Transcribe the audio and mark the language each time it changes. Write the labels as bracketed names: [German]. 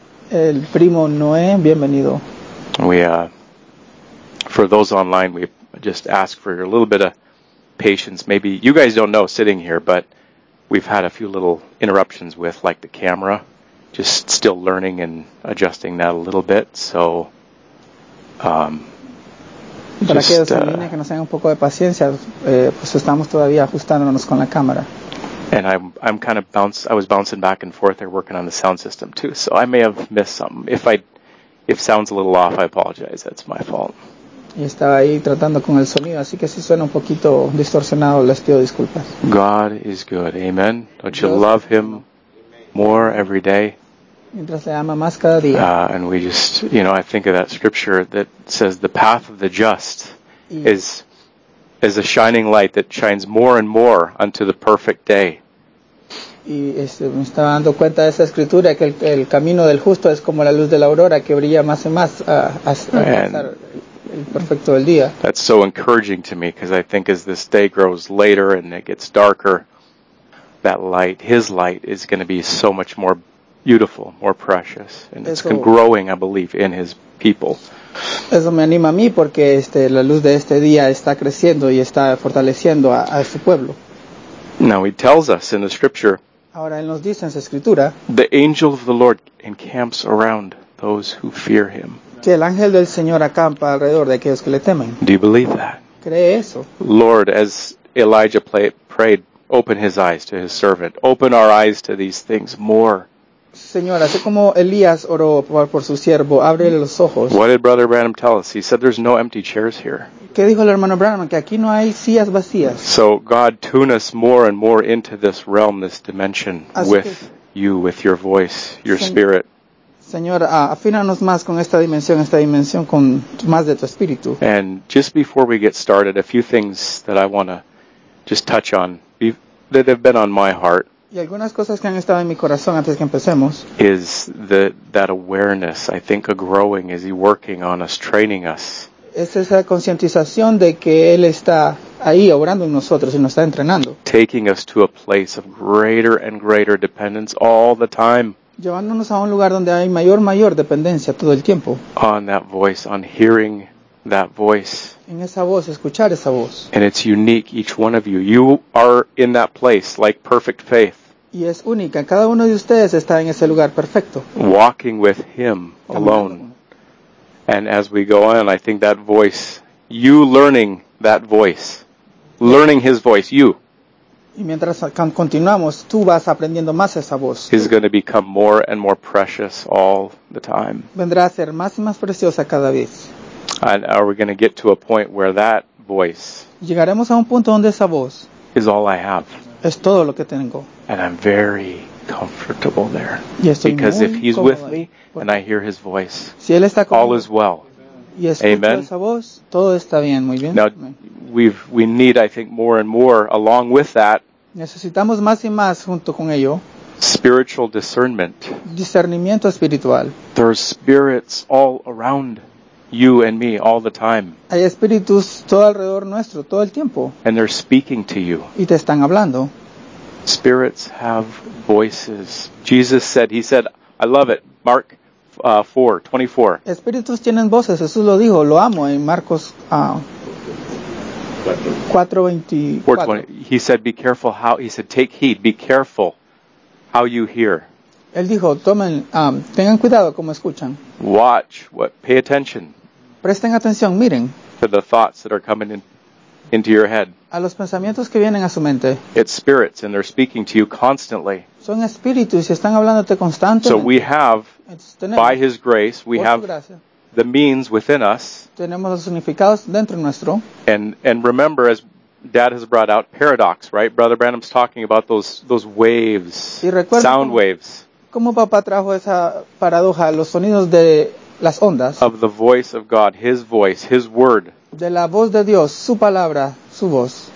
[Spanish] El primo Noé, bienvenido. [English] We for those online, we just ask for a little bit of patience. Maybe you guys don't know sitting here, but we've had a few little interruptions with like the camera, just still learning and adjusting that a little bit. So [Spanish] para aquellos en línea que nos tengan un poco de paciencia, pues estamos todavía ajustándonos con la cámara. [English] And I was bouncing back and forth there working on the sound system too, so I may have missed some. If sounds a little off, I apologize. That's my fault. [Spanish] Y estaba ahí tratando con el sonido, así que si suena un poquito distorsionado, les pido disculpas. [English] God is good, amen. Don't you love him more every day? [Spanish] Mientras le ama más cada día. [English] And we just, you know, I think of that scripture that says the path of the just is a shining light that shines more and more unto the perfect day. [Spanish] Y me estaba dando cuenta de esa escritura que el camino del justo es como la luz de la aurora que brilla más y más hasta alcanzar el perfecto del día. [English] That's so encouraging to me, because I think as this day grows later and it gets darker, that light, his light, is going to be so much more beautiful, more precious, and it's growing, I believe, in his people. [Spanish] Eso me anima a mí, porque la luz de este día está creciendo y está fortaleciendo a su pueblo. [English] Now he tells us in the scripture, [Spanish] ahora él nos dice en su escritura, [English] the angel of the Lord encamps around those who fear him. [Spanish] Que el ángel del Señor acampa alrededor de aquellos que le temen. [English] Do you believe that? [Spanish] ¿Cree eso? [English] Lord, as Elijah prayed, open his eyes to his servant. Open our eyes to these things more. [Spanish] Señor, así como Elías oró por su siervo, ábrele los ojos. [English] What did Brother Branham tell us? He said there's no empty chairs here. [Spanish] ¿Qué dijo el hermano Branham? Que aquí no hay sillas vacías. [English] So God, tune us more and more into this realm, this dimension, [Spanish] así [English] with [Spanish] que [English] you, with your voice, your spirit. [Spanish] Señor, afínanos más con esta dimensión, con más de tu espíritu. [English] And just before we get started, a few things that I want to just touch on, that have been on my heart. [Spanish] Y algunas cosas que han estado en mi corazón antes que empecemos. [English] Is that awareness, I think, a growing as he working on us, training us. [Spanish] Es esa concientización de que él está ahí obrando en nosotros y nos está entrenando. [English] Taking us to a place of greater and greater dependence all the time. [Spanish] llevándonos a un lugar donde hay mayor dependencia todo el tiempo. [English] On that voice, on hearing that voice. [Spanish] En esa voz, escuchar esa voz. [English] And it's unique, each one of you. You are in that place, like perfect faith. [Spanish] Y es única. Cada uno de ustedes está en ese lugar perfecto. [English] Walking with Him alone. And as we go on, I think that voice, you learning that voice, learning His voice, you. [Spanish] Y mientras continuamos, tú vas aprendiendo más esa voz. [English] Is going to become more and more precious all the time. [Spanish] Vendrá a ser más y más preciosa cada vez. [English] And are we going to get to a point where that voice? [Spanish] Llegaremos a un punto donde esa voz. [English] Is all I have. [Spanish] Es todo lo que tengo. [English] And I'm very comfortable there. [Spanish] Y estoy [English] because [Spanish] muy [English] if he's [Spanish] cómodo [English] with me and I hear his voice, [Spanish] si él está conmigo, [English] all is well. [Spanish] Y escucho [English] Amen. [Spanish] Esa voz, todo está bien, muy bien. [English] Now, we need, I think, more and more along with that. [Spanish] Necesitamos más y más junto con ello. [English] Spiritual discernment. [Spanish] Discernimiento espiritual. [English] There are spirits all around you and me all the time. [Spanish] Hay espíritus todo alrededor nuestro, todo el tiempo. [English] And they're speaking to you. [Spanish] Y te están hablando. [English] Spirits have voices. Jesus said, he said, I love it. Mark 4:24. [Spanish] Espíritus tienen voces. Jesús lo dijo, lo amo en Marcos 4:24. [English] He said, be careful how, he said, take heed, be careful how you hear. [Spanish] Él dijo, tomen, tengan cuidado cómo escuchan. [English] Watch, what, pay attention. [Spanish] Presten atención, miren. [English] To the thoughts that are coming into your head. [Spanish] A los pensamientos que vienen a su mente. [English] It's spirits and they're speaking to you constantly. [Spanish] Son espíritus y están hablándote constantemente. [English] So we have, by His grace, we have [Spanish] gracia. [English] The means within us. [Spanish] Tenemos los significados dentro nuestro. [English] And remember, as Dad has brought out, paradox, right? Brother Branham's talking about those waves, [Spanish] y recuerda [English] sound waves. [Spanish] ¿Cómo papá trajo esa paradoja, los sonidos de las ondas? [English] Of the voice of God, His voice, His word. [Spanish] De la voz de Dios, su palabra, su voz.